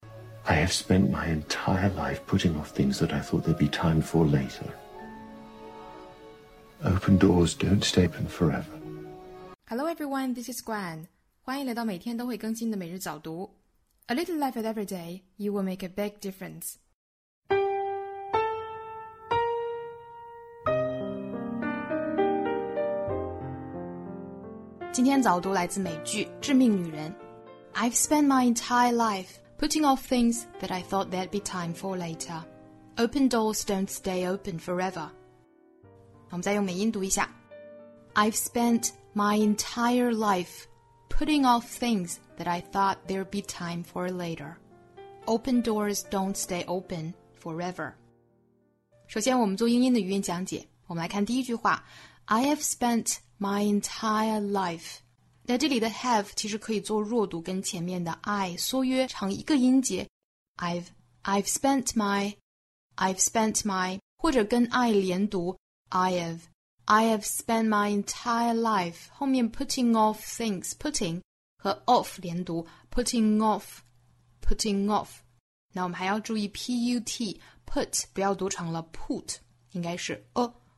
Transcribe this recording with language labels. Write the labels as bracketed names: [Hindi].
[English] I have spent my entire life putting off things that I thought there'd be time for later. Open doors don't stay open forever. Hello everyone, this is Gwen. [Chinese] 欢迎来到每天都会更新的每日早读。 [English] A little life every day, you will make a big difference. I've spent my entire life putting off things that I thought there'd be time for later. Open doors don't stay open forever. [Chinese] 我们再用美音读一下。 [English] I've spent my entire life putting off things that I thought there'd be time for later. Open doors don't stay open forever. [Chinese] 首先我们做英音的语音讲解。我们来看第一句话。 [English] I have spent... My entire life. [Chinese] 那这里的 have 其实可以做弱读跟前面的 I 缩约成一个音节 [English] I've spent my [Chinese] 或者跟 I 连读 [English] I have spent my entire life [Chinese] 后面 [English] putting off things putting [Chinese] 和 off 连读 putting off 那我们还要注意 put put 不要读成了 put 应该是 a